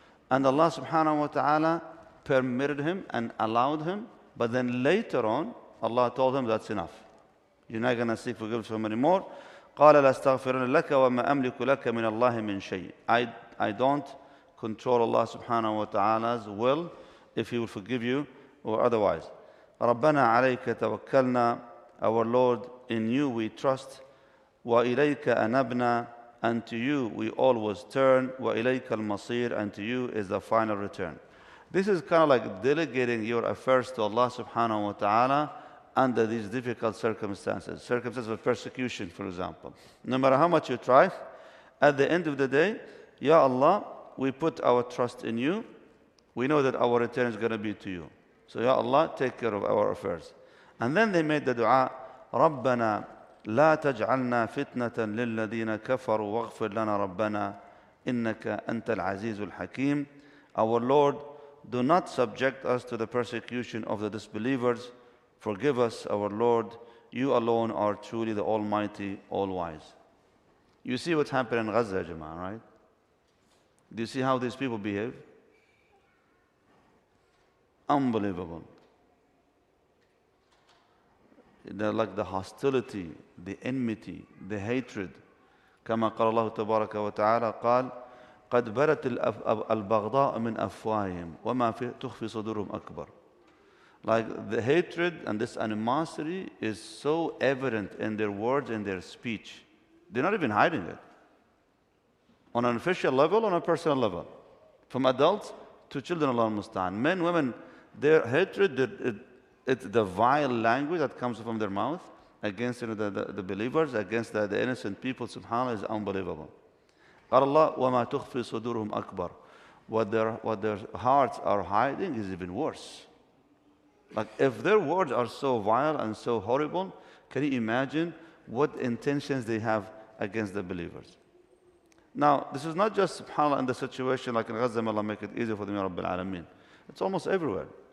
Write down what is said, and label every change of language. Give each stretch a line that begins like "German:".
English: And Allah subhanahu wa ta'ala permitted him and allowed him, but then later on, Allah told him, that's enough. You're not going to seek forgiveness from him anymore.
Arabic: قال لا استغفر لك وما املك لك من الله من شيء.
English: I don't control Allah subhanahu wa ta'ala's will if he will forgive you or otherwise.
Arabic: ربنا عليك توكلنا.
English: Our Lord, in you we trust.
Arabic: وإليك أنبنا.
English: And to you we always turn.
Arabic: وإليك المصير.
English: And to you is the final return. This is kind of like delegating your affairs to Allah subhanahu wa ta'ala under these difficult circumstances of persecution, for example. No matter how much you try, at the end of the day, Ya Allah, we put our trust in you. We know that our return is going to be to you. So Ya Allah, take care of our affairs. And then they made the dua,
Arabic: رَبَّنَا لَا تَجْعَلْنَا فِتْنَةً لِلَّذِينَ كَفَرُوا وَغْفِرْ لَنَا رَبَّنَا إِنَّكَ أَنْتَ الْعَزِيزُ الْحَكِيمُ.
English: Our Lord, do not subject us to the persecution of the disbelievers. Forgive us, our Lord. You alone are truly the Almighty, All-Wise. You see what happened in Gaza, Jama, right? Do you see how these people behave? Unbelievable. They're like the hostility, the enmity, the hatred.
Arabic: كما قال الله تبارك وتعالى قال قد برت البغضاء من أفواههم وما تخفي صدورهم أكبر.
English: Like the hatred and this animosity is so evident in their words and their speech. They're not even hiding it. On an official level, on a personal level. From adults to children, Allah musta'an. Men, women, their hatred, it's the vile language that comes from their mouth against the believers, against the innocent people, subhanAllah, is unbelievable.
Arabic: قال الله وما تخفي صدورهم أكبر.
English: What their hearts are hiding is even worse. Like if their words are so vile and so horrible, can you imagine what intentions they have against the believers? Now, this is not just subhanAllah in the situation like in Gaza, may Allah make it easy for them, Ya Rabbil Alameen. It's almost everywhere.